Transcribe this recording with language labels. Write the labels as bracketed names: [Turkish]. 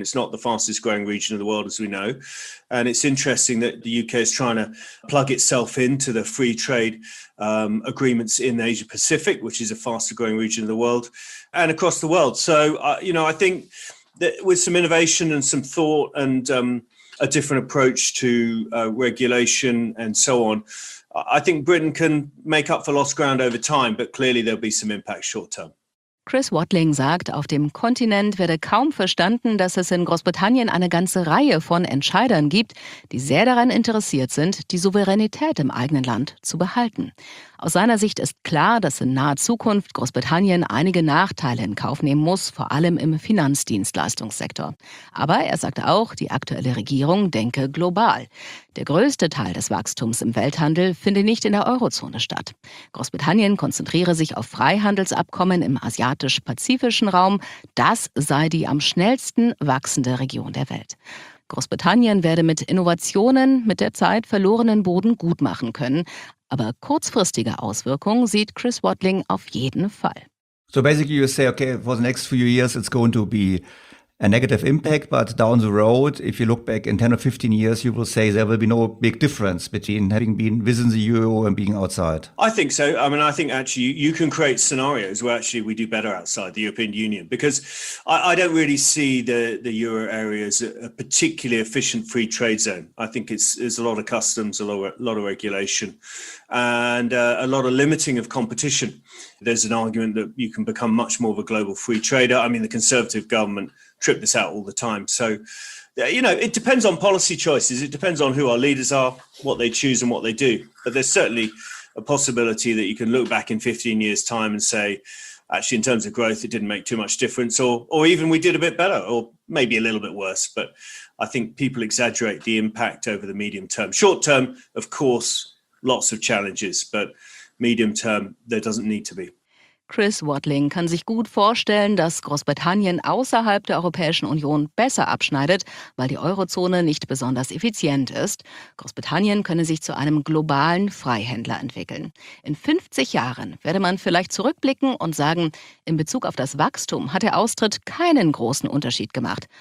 [English] It's not the fastest growing region of the world, as we know. And it's interesting that the UK is trying to plug itself into the free trade agreements in Asia Pacific, which is a faster growing region of the world, and across the world. So, you know, I think that with some innovation and some thought and a different approach to regulation and so on, I think Britain can make up for lost ground over time, but clearly there'll be some impact short term. [German] Chris Watling sagt, auf dem Kontinent werde kaum verstanden, dass es in Großbritannien eine ganze Reihe von Entscheidern gibt, die sehr daran interessiert sind, die Souveränität im eigenen Land zu behalten. Aus seiner Sicht ist klar, dass in naher Zukunft Großbritannien einige Nachteile in Kauf nehmen muss, vor allem im Finanzdienstleistungssektor. Aber er sagte auch, die aktuelle Regierung denke global. Der größte Teil des Wachstums im Welthandel finde nicht in der Eurozone statt. Großbritannien konzentriere sich auf Freihandelsabkommen im asiatisch-pazifischen Raum. Das sei die am schnellsten wachsende Region der Welt. Großbritannien werde mit Innovationen mit der Zeit verlorenen Boden gut machen können. Aber kurzfristige Auswirkungen sieht Chris Watling auf jeden Fall. [English] So basically you say, okay, for the next few years it's going to be a negative impact, but down the road, if you look back in 10 or 15 years, you will say there will be no big difference between having been within the euro and being outside. I think so. I mean, I think actually you can create scenarios where actually we do better outside the European Union, because I don't really see the euro area as a particularly efficient free trade zone. I think there's a lot of customs, a lot of regulation, and a lot of limiting of competition. There's an argument that you can become much more of a global free trader. I mean, the Conservative government trip this out all the time. So, you know, it depends on policy choices. It depends on who our leaders are, what they choose and what they do. But there's certainly a possibility that you can look back in 15 years' time and say, actually, in terms of growth, it didn't make too much difference. Or even we did a bit better, or maybe a little bit worse. But I think people exaggerate the impact over the medium term. Short term, of course, lots of challenges. But medium term, there doesn't need to be. [German] Chris Watling kann sich gut vorstellen, dass Großbritannien außerhalb der Europäischen Union besser abschneidet, weil die Eurozone nicht besonders effizient ist. Großbritannien könne sich zu einem globalen Freihändler entwickeln. In 50 Jahren werde man vielleicht zurückblicken und sagen, in Bezug auf das Wachstum hat der Austritt keinen großen Unterschied gemacht.